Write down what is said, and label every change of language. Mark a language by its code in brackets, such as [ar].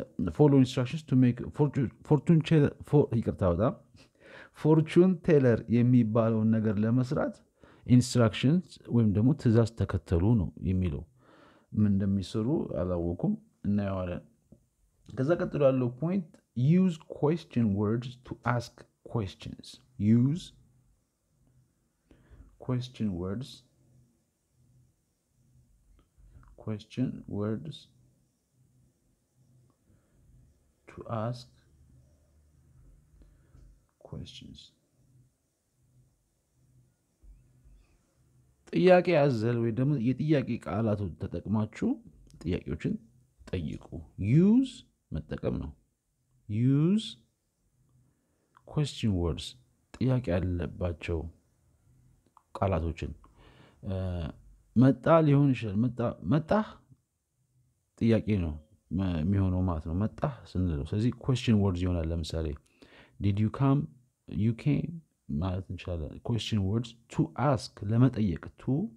[en] follow instructions to make fortune teller [am] ይቅርታ ወጣ fortune teller የሚባለው ነገር ለመስራት instructions ወይም ደግሞ ትእዛዝ ተከተሉ ነው የሚለው። ምን እንደሚሰሩ አላወቁም እና ያለው ከዛ ቀጥሎ ያለው point [en] use question words to ask questions. use question words question words to ask questions. [am] ጥያቄ አዘል ወይ ደግሞ የጥያቄ ቃላቱን ተጠቅማችሁ ጥያቄዎችን ጠይቁ። use መጠቀም ነው። use question words ጥያቄ ያለባቸው ቃላቶችን። መጣ ሊሆን ይችላል። መጣ ጥያቄ ነው የሚሆነው ማለት ነው። መጣ ስንለው ስለዚህ question words ይሆናል። ለምሳሌ [en] did you come you came [am] ማለት እንችላለን። question words to ask ለመጠየቅ to